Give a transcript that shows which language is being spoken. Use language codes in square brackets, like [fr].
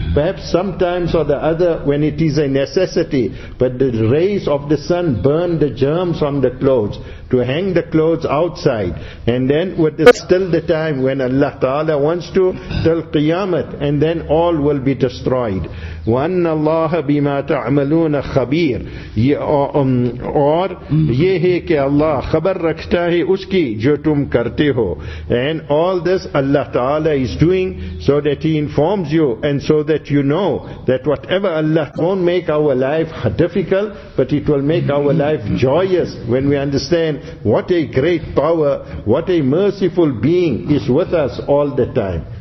[en] Perhaps sometimes or the other when it is a necessity, but the rays of the sun burn the germs on the clothes to hang the clothes outside. And then with the still the time when Allah Ta'ala wants to, till Qiyamah, and then all will be destroyed. [ar] وَأَنَّ اللَّهَ بِمَا تَعْمَلُونَ خَبِيرٌ. [ur] اور یہ ہے کہ اللہ خبر رکھتا ہے اس کی جو تم کرتے ہو. [en] And all this Allah Ta'ala is doing so that He informs you and so that you know that whatever Allah won't make our life difficult, but it will make our life joyous when we understand what a great power, what a merciful being is with us all the time.